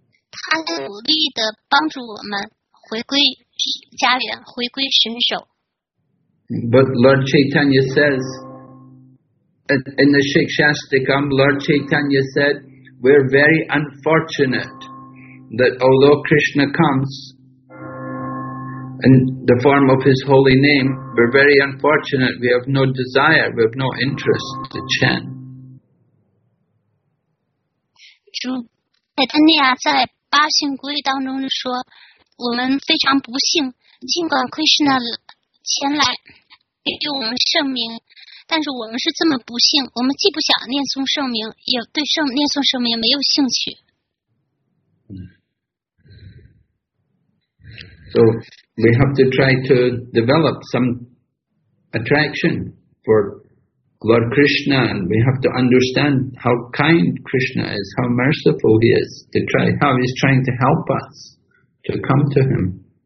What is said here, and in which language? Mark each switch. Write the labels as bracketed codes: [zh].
[zh] 他努力地帮助我们回归家园，回归神手。 [en] But Lord Chaitanya says, in the Shikshastikam, Lord Chaitanya said, we're very unfortunate that although Krishna comes in the form of his holy name, we're very unfortunate, we have no desire, we have no interest to chant. [zh] 主 Chaitanya 在八姓规当中说，我们非常不幸，尽管 Krishna 前来，用圣名，但是我们是这么不幸，我们既不想念诵圣名，也对圣念诵圣名没有兴趣。 [en] So we have to try to develop some attraction for Lord Krishna, and we have to understand how kind Krishna is, how merciful he is, to try, how he's trying to help us to come to him.